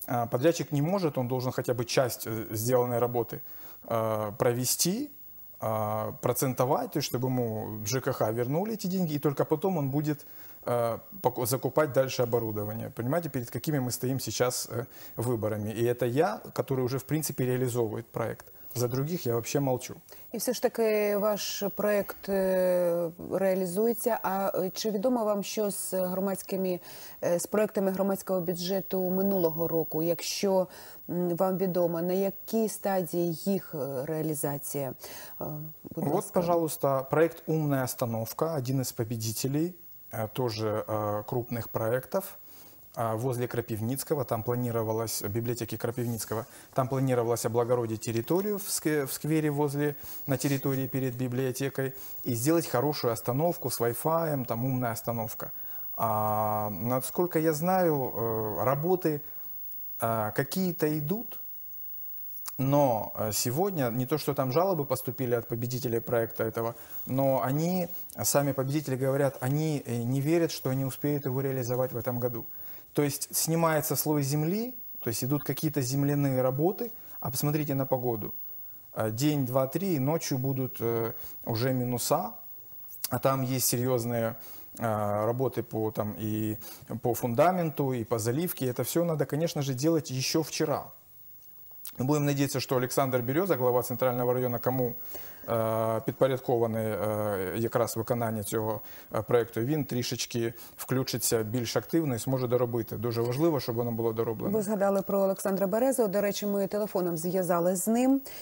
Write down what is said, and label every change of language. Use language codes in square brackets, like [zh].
[ru] Подрядчик не может, он должен хотя бы часть сделанной работы провести, процентовать, то есть чтобы ему ЖКХ вернули эти деньги, и только потом он будет закупать дальше оборудование. Понимаете, перед какими мы стоим сейчас выборами. И это я, который уже, в принципе, реализовывает проект. За других я вообще молчу. И все ж таки ваш проект реализуется. [uk] А чи відомо вам, що з проектами громадського бюджету минулого року, якщо вам відомо, на якій стадії їх реалізація? [ru] Вот, пожалуйста, проект «Умная остановка», один из победителей тоже крупных проектов возле Крапивницкого. Там планировалось, библиотеки Крапивницкого, там планировалось облагородить территорию в сквере возле, на территории перед библиотекой, и сделать хорошую остановку с Wi-Fi, там умная остановка. А насколько я знаю, работы какие-то идут, Но сегодня не то, что там жалобы поступили от победителей проекта этого, но они, сами победители говорят, они не верят, что они успеют его реализовать в этом году. То есть снимается слой земли, то есть идут какие-то земляные работы, а посмотрите на погоду. День, два, три, ночью будут уже минуса, а там есть серьезные работы по, там, и по фундаменту, и по заливке. Это все надо, конечно же, делать еще вчера. Мы будем надеяться, что Александр Береза, глава центрального района, [uk] кому підпорядкований якраз виконання цього проєкту, він трішечки включиться більш активно і зможе доробити. Дуже важливо, щоб воно було дороблено. Ви згадали про Олександра Березу. До речі, ми телефоном зв'язалися з ним.